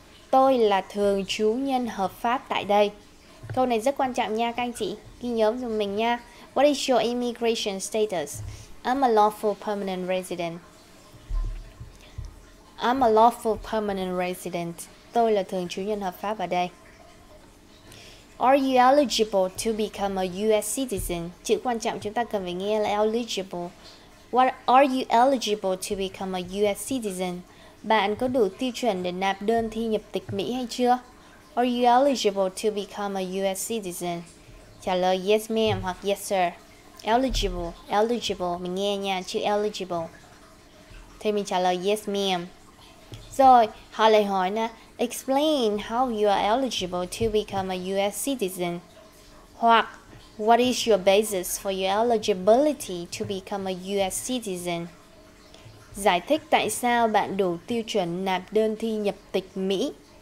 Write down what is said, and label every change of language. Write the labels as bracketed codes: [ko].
[vi] Tôi là thường trú nhân hợp pháp tại đây. Câu này rất quan trọng nha các anh chị. Ghi nhớ giùm mình nha. [en] What is your immigration status? I'm a lawful permanent resident. I'm a lawful permanent resident. [vi] Tôi là thường trú nhân hợp pháp ở đây. [en] Are you eligible to become a US citizen? [vi] Chữ quan trọng chúng ta cần phải nghe là eligible. [en] What are you eligible to become a US citizen? [vi] Bạn có đủ tiêu chuẩn để nạp đơn thi nhập tịch Mỹ hay chưa? [en] Are you eligible to become a US citizen? [vi] Trả lời [en] yes ma'am [vi] hoặc [en] yes sir. [vi] Eligible, eligible, mình nghe nha, chữ eligible. Thì mình trả lời [en] yes ma'am. [vi] Rồi, họ lại hỏi nè, [en] explain how you are eligible to become a US citizen. Hoặc, what is your basis for your eligibility to become a US citizen? [vi] Giải thích tại sao bạn đủ tiêu chuẩn nạp đơn thi nhập tịch Mỹ.